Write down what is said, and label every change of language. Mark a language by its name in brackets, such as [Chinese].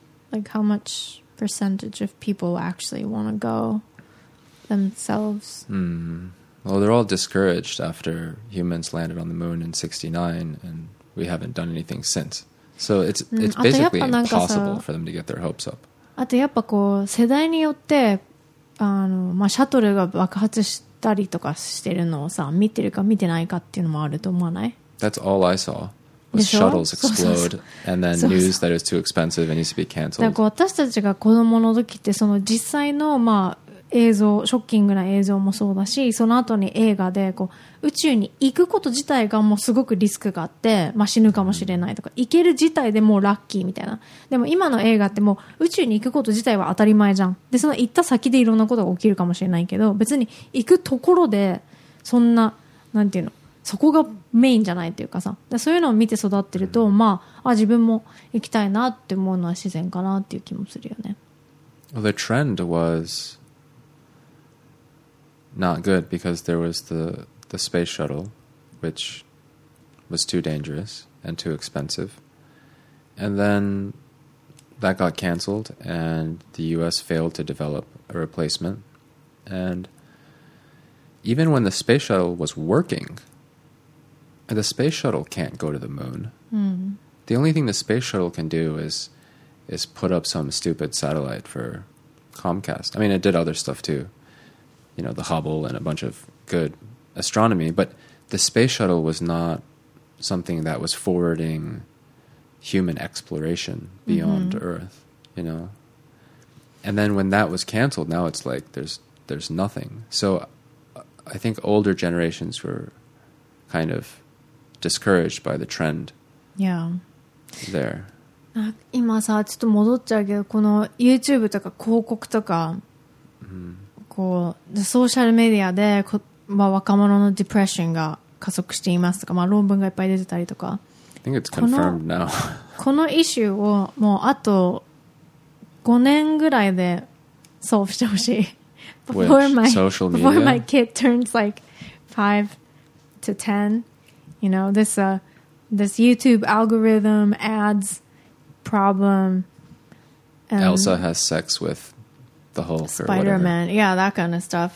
[English] Like, how much percentage of people actually want to go themselves? Well, they're all discouraged after humans landed on the moon in 69 and we haven't done anything since. So it's basically impossible for them to get their hopes up. [Japanese] あとやっぱこう世代によってまあ、シャトルが爆発したりとかしてるのをさ見てるか見てないかっていうのもあると思わない? [English] That's all I saw was shuttles explode and then news that it was too expensive and needs to be canceled. [Japanese] だからこう私たちが子供の時ってその実際のまあ映像ショッキングな映像もそうだしその後に映画でこう宇宙に行くこと自体がもうすごくリスクがあって、まあ、死ぬかもしれないとか行ける自体でもうラッキーみたいなでも今の映画ってもう宇宙に行くこと自体は当たり前じゃんでその行った先でいろんなことが起きるかもしれないけど別に行くところでそんななんていうのそこがメインじゃないっていうかさでそういうのを見て育ってるとまあ、自分も行きたいなって思うのは自然かなっていう気もするよね [English] The trend wasNot good because there was the space shuttle, which was too dangerous and too expensive. And then that got canceled and the U.S. failed to develop a replacement. And even when the space shuttle was working, the space shuttle can't go to the moon. The only thing the space shuttle can do is put up some stupid satellite for Comcast. I mean, it did other stuff too. You know, the Hubble and a bunch of good astronomy, but the space shuttle was not something that was forwarding human exploration beyond Earth, you know? And then when that was canceled, now it's like there's nothing. So I think older generations were kind of discouraged by the trend there. [Japanese] 今さ、ちょっと戻っちゃうけど、この YouTube とか広告とか、こうでソーシャルメディアで、まあ、若者のディプレッションが加速していますとか、まあ、論文がいっぱい出てたりとか [English] I think it's confirmed now. [Japanese] このイシューをもうあと5年ぐらいで solve してほしい。 [English] Before my kid turns like 5 to 10, you know, this YouTube algorithm ads problem. And Elsa has sex with the Hulk, Spider-Man, or yeah, that kind of stuff.